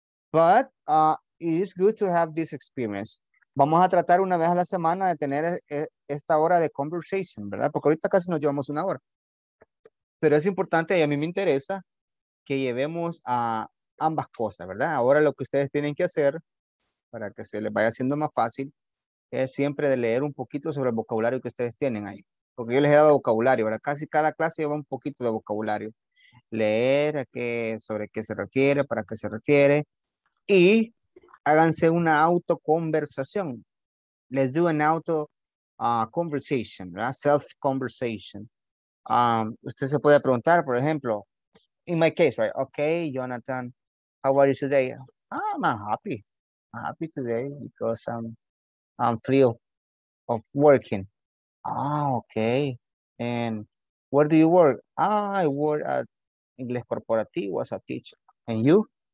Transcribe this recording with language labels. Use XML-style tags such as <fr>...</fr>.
<en>But it is good to have this experience.</en> <es>Vamos a tratar una vez a la semana de tener esta hora de conversation, ¿verdad? Porque ahorita casi nos llevamos una hora. Pero es importante y a mí me interesa que llevemos a ambas cosas, ¿verdad? Ahora lo que ustedes tienen que hacer para que se les vaya haciendo más fácil es siempre de leer un poquito sobre el vocabulario que ustedes tienen ahí. Porque yo les he dado vocabulario, ¿verdad? Casi cada clase lleva un poquito de vocabulario. Leer a qué, sobre qué se refiere, para qué se refiere. Y háganse una autoconversación.</es> <en>Let's do an auto conversation, ¿verdad? Self-conversation.</en> <es>Usted se puede preguntar, por ejemplo,</es> <en>in my case, right? Okay, Jonathan, how are you today? I'm happy. I'm happy today because I'm free of working. Okay. And where do you work? I work at English Corporativo as a teacher. And you?</en>